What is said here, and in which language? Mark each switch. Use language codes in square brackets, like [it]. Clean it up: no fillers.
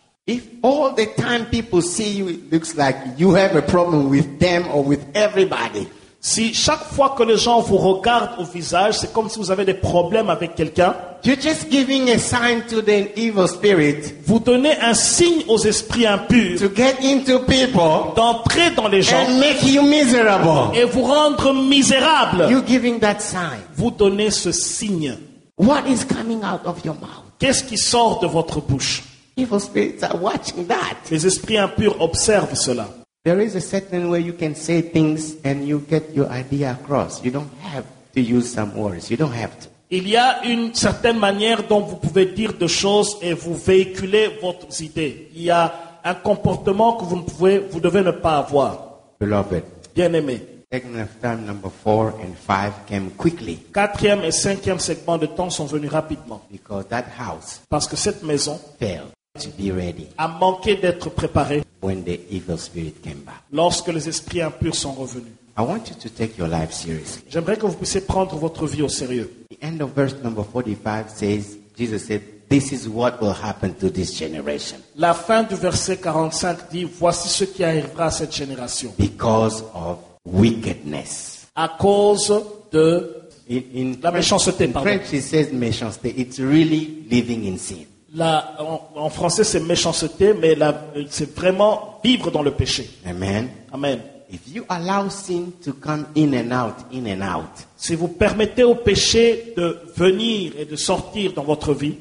[en] If all the time people see you, it looks like you have a problem with them or with everybody. [fr] Si chaque fois que les gens vous regardent au visage, c'est comme si vous avez des problèmes avec quelqu'un. [en] You're just giving a sign to the evil spirit. [fr] Vous donnez un signe aux esprits impurs. [en] To get into people. [fr] D'entrer dans les gens. [en] And make you miserable. [fr] Et vous rendre misérable. [en] You're giving that sign. [fr] Vous donnez ce signe. [en] What is coming out of your mouth? [fr] Qu'est-ce qui sort de votre bouche? [en] Evil spirits are watching that. [fr] Les esprits impurs observent cela. [en] There is a certain way you can say things and you get your idea across. You don't have to use some words. You don't have to. [fr] Il y a une certaine manière dont vous pouvez dire des choses et vous véhiculer vos idées. Il y a un comportement que vous devez ne pas avoir. [en] Beloved, [fr] bien-aimé. [en] Segment of time number 4 and 5 came quickly. [fr] Quatrième et cinquième segment de temps sont venus rapidement. [en] Because that house, [fr] parce que cette maison, [en] failed. To be ready. [fr] A manqué d'être préparé. [en] When the evil spirit came back. [fr] Lorsque les esprits impurs sont revenus. [en] I want you to take your life seriously. [fr] J'aimerais que vous puissiez prendre votre vie au sérieux. [en] The end of verse number 45 says, Jesus said, "This is what will happen to this generation." [fr] La fin du verset 45 dit, voici ce qui arrivera à cette génération. [en] Because of wickedness. [fr] À cause de la méchanceté. [en] In French, it says méchanceté. It's really living in sin. [fr] En français, c'est méchanceté, mais c'est vraiment vivre dans le péché. [en] Amen. [fr] Amen. [en] If you allow sin to come in and out, [fr] si vous permettez au péché de venir et de sortir dans votre vie,